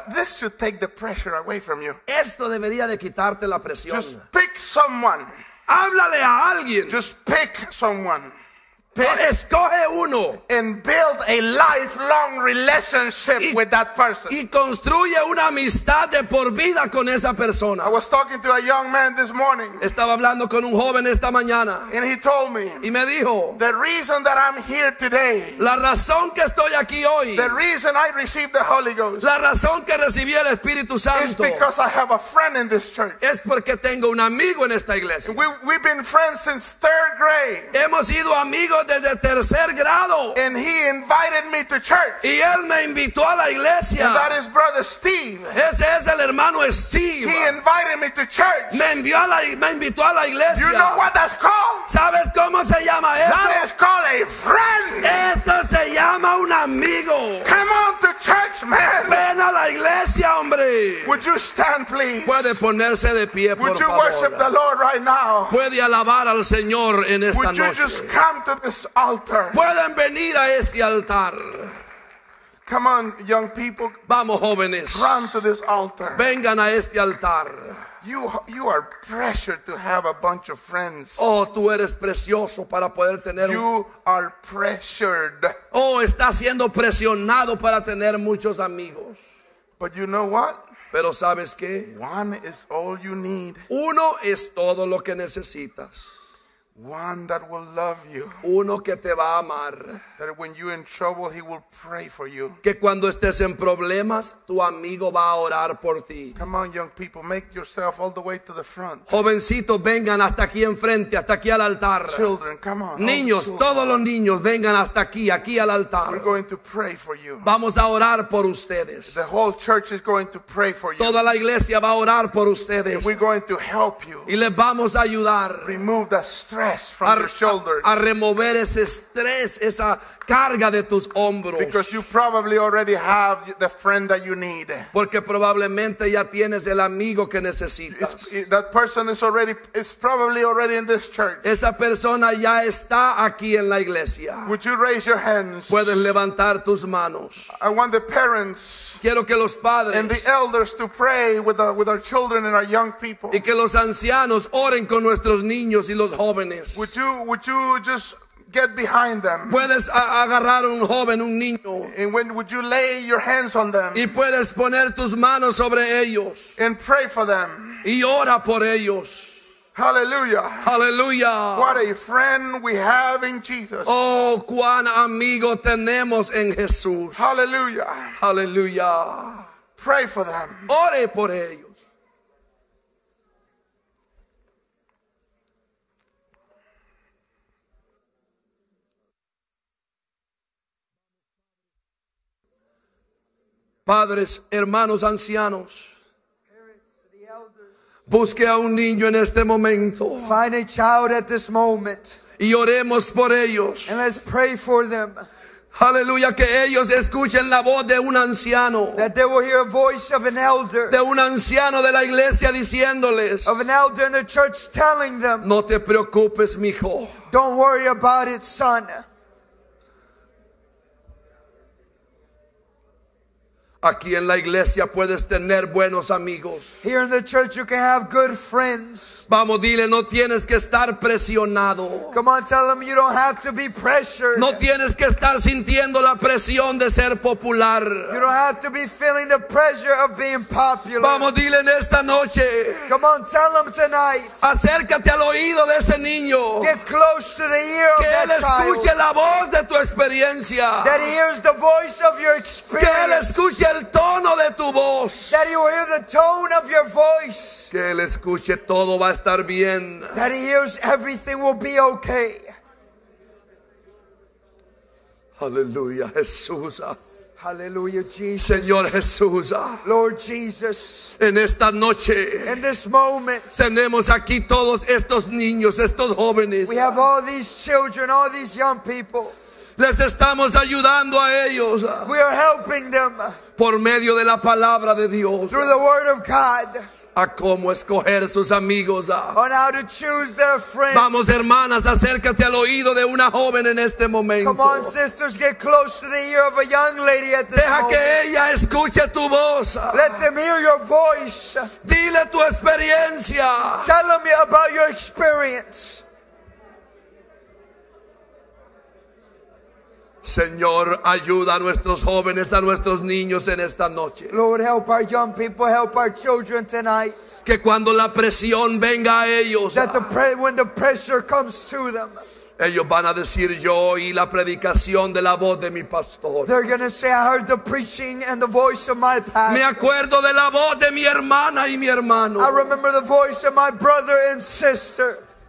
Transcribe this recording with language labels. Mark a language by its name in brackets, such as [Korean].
[English] This should take the pressure away from you. [Spanish] Esto debería de quitarte la presión. [English] Just pick someone. [Spanish] Háblale a alguien. [English] Just pick someone. [Spanish] Escoge uno. [English] And build a lifelong relationship with that person. [Spanish] Y construye una amistad de por vida con esa persona. [English] I was talking to a young man this morning. [Spanish] Estaba hablando con un joven esta mañana. [English] And he told me. [Spanish] Y me dijo. [English] The reason that I'm here today. [Spanish] La razón que estoy aquí hoy. [English] The reason I received the Holy Ghost. [Spanish] La razón que recibí el Espíritu Santo. [English] Is because I have a friend in this church. [Spanish] Es porque tengo un amigo en esta iglesia. [English] We've been friends since third grade. [Spanish] Hemos sido amigos desde tercer grado. [English] And he invited me to church. [Spanish] Y él me invitó a la iglesia. [English] And that is brother Steve. [Spanish] Ese es el hermano Steve. [English] He invited me to church. [Spanish] Me invitó a la iglesia. [English] You know what that's called? [Spanish] ¿Sabes cómo se llama eso? [English] That is called a friend. [Spanish] Esto se llama un amigo. [English] Come on to church, man. [Spanish] Ven a la iglesia, hombre. [English] Would you stand, please? [Spanish] Puede ponerse de pie, por favor. [English] Would you worship the Lord right now? [Spanish] Puede alabar al Señor en esta noche. [English] Would you just come to this altar? [Spanish] Pueden venir a este altar. [English] Come on, young people. [Spanish] Vamos, jóvenes. [English] Run to this altar. [Spanish] Vengan a este altar. [English] You are pressured to have a bunch of friends. [Spanish] Oh, tú eres precioso para poder tener. [English] You are pressured. [Spanish] Oh, estás siendo presionado para tener muchos amigos. [English] But you know what? [Spanish] Pero sabes qué? [English] One is all you need. [Spanish] Uno es todo lo que necesitas. [English] One that will love you. [Spanish] Uno que te va a amar. [English] That when you're in trouble, he will pray for you. [Spanish] Que cuando estés en problemas, tu amigo va a orar por ti. [English] Come on, young people, make yourself all the way to the front. [Spanish] Jovencitos, vengan hasta aquí enfrente, hasta aquí al altar. [English] Children, come on. [Spanish] Niños, todos los niños, vengan hasta aquí, aquí al altar. [English] We're going to pray for you. [Spanish] Vamos a orar por ustedes. [English] The whole church is going to pray for you. [Spanish] Toda la iglesia va a orar por ustedes. [English] And we're going to help you. [Spanish] Y les vamos a ayudar. [English] Remove the stress. From your shoulders. [Spanish] A remover ese estrés, esa carga de tus hombros. [English] Because you probably already have the friend that you need. [Spanish] Porque probablemente ya tienes el amigo que necesitas. [English] That person is probably already in this church. [Spanish] Esa persona ya está aquí en la iglesia. [English] Would you raise your hands? [Spanish] Puedes levantar tus manos. [English] I want the parents. [Spanish] Quiero que los padres [English] and the elders to pray with our children and our young people. [Spanish] Y que los ancianos oren con nuestros niños y los jóvenes. [English] Would you just get behind them? [Spanish] Puedes agarrar un joven, un niño. [English] And when would you lay your hands on them? [Spanish] Y puedes poner tus manos sobre ellos. [English] And pray for them. [Spanish] Y ora por ellos. Hallelujah. Hallelujah. [English] What a friend we have in Jesus. [Spanish] Oh, cuán amigo tenemos en Jesús. Hallelujah. Hallelujah. [English] Pray for them. [Spanish] Ore por ellos. Padres, hermanos, ancianos, busque a un niño en este momento. [English] Find a child at this moment. [Spanish] Y oremos por ellos. [English] And let's pray for them. [Spanish] Aleluya, que ellos escuchen la voz de un anciano. [English] That they will hear a voice of an elder. [Spanish] De un anciano de la iglesia diciéndoles. [English] Of an elder in the church telling them. [Spanish] No te preocupes, mijo. [English] Don't worry about it, son. [Spanish] Aquí en la iglesia puedes tener buenos amigos. [English] Here in the church you can have good friends. [Spanish] Vamos, dile, no tienes que estar presionado. [English] Come on, tell them you don't have to be pressured. [Spanish] No tienes que estar sintiendo la presión de ser popular. [English] You don't have to be feeling the pressure of being popular. [Spanish] Vamos, dile, en esta noche. [English] Come on, tell them tonight. [Spanish] Acércate al oído de ese niño. [English] Get close to the ear of that child. [Spanish] Que él escuche la voz de tu experiencia. [English] That he hears the voice of your experience. [Spanish] Que él escuche el tono de tu voz. [English] That he will hear the tone of your voice. [Spanish] Que él escuche, todo va a estar bien. [English] That he hears, everything will be okay. [Spanish] Aleluya, Jesús. [English] Hallelujah, Jesus. [Spanish] Señor Jesús. [English] Lord Jesus. [Spanish] En esta noche. [English] In this moment. [Spanish] Tenemos aquí todos estos niños, estos jóvenes. [English] We have all these children, all these young people. [Spanish] Les estamos ayudando a ellos. [English] We are helping them. [Spanish] Por medio de la palabra de Dios. [English] Through the word of God. [Spanish] A cómo escoger sus amigos. [English] On how to choose their friends. [Spanish] Vamos, hermanas, acércate al oído de una joven en este momento. [English] Come on, sisters, get close to the ear of a young lady at this [Spanish] Deja [English] moment. [Spanish] Que ella escuche tu voz. [English] Let them hear your voice. [Spanish] Dile tu experiencia. [English] Tell them about your experience. [Spanish] Señor, ayuda a nuestros jóvenes, a nuestros niños en esta noche. [English] Lord, help our young people, help our children tonight. [Spanish] Que cuando la presión venga a ellos, [English] that when the pressure comes to them, [Spanish] ellos van a decir, yo oí la predicación de la voz de mi pastor. [English] They're going to say, I heard the preaching and the voice of my pastor. [Spanish] Me acuerdo de la voz de mi hermana y mi hermano. [English] I remember the voice of my brother and sister.